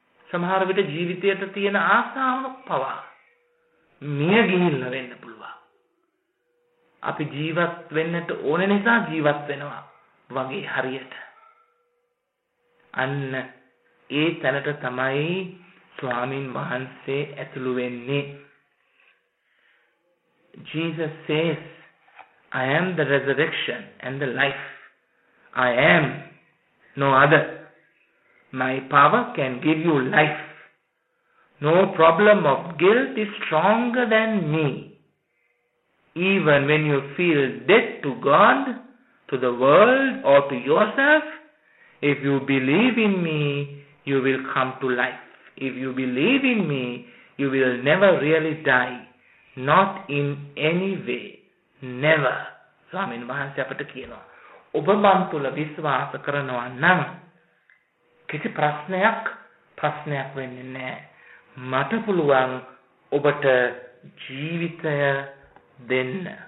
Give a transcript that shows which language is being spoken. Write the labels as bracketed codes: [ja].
[si] සමහර විට ජීවිතයට තියෙන ආසාව පවා මිය ගිහිල්ලා වෙන්න පුළුවන්. අපි ජීවත් වෙන්නට ඕන නිසා ජීවත් වෙනවා වගේ හරියට. අන්න ඒ තැනට තමයි ස්වාමින් වහන්සේ ඇතුළු වෙන්නේ. [en] Jesus says, I am the resurrection and the life. I am no other. My power can give you life. No problem of guilt is stronger than me. Even when you feel dead to God, to the world, or to yourself, if you believe in me, you will come to life. If you believe in me, you will never really die. Not in any way. Never. [si] ස්වාමීන් වහන්සේ අපට කියනවා, ඔබ මන් තුළ විශ්වාස කරනවා නම් කිසි ප්‍රශ්නයක් වෙන්නේ නැහැ. මට පුළුවන් ඔබට ජීවිතය දෙන්න.